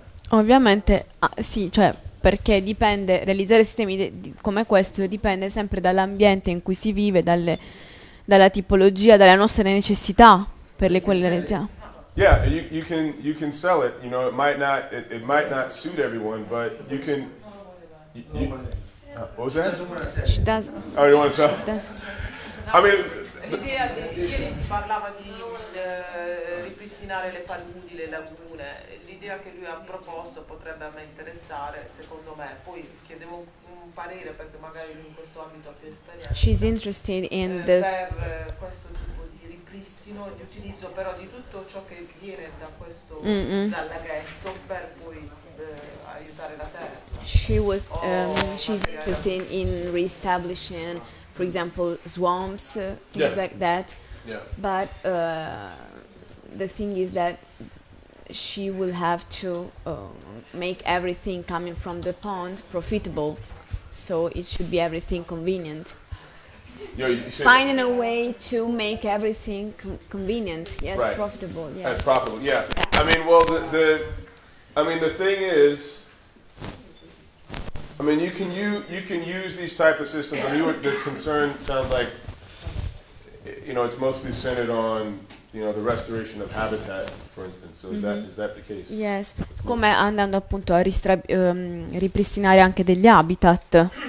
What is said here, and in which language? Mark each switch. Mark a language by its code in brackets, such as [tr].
[it] Ovviamente, sì, cioè, perché dipende, realizzare sistemi come questo dipende sempre dall'ambiente in cui si vive, dalla tipologia, dalle nostre necessità per le quali realizziamo. [en] Yeah, you can sell it, you know, it might not suit everyone, but you can... What was that? She doesn't. Oh, you want to sell? She doesn't. I mean... [it] L'idea di ieri si parlava di ripristinare le paludi, le lagune. L'idea che lui ha proposto potrebbe a me interessare, secondo me. Poi chiedevo un parere perché magari lui in questo ambito ha più esperienza. [en] She's interested in [it] per questo tipo di ripristino, di utilizzo però di tutto ciò che viene da questo laghetto per poi aiutare la terra. [en] She's interested in reestablishing, for example, swamps, things like that. Yeah. But the thing is that she will have to make everything coming from the pond profitable, so it should be everything convenient. Finding a way to make everything convenient, yes, right. Profitable. Yes. As profitable, yeah. I mean, well, the thing is, I mean, you can use these type of systems. I mean, the concern sounds like, you know, it's mostly centered on, you know, the restoration of habitat, for instance. So is that the case? Yes. [it] Come andando appunto a ripristinare anche degli habitat.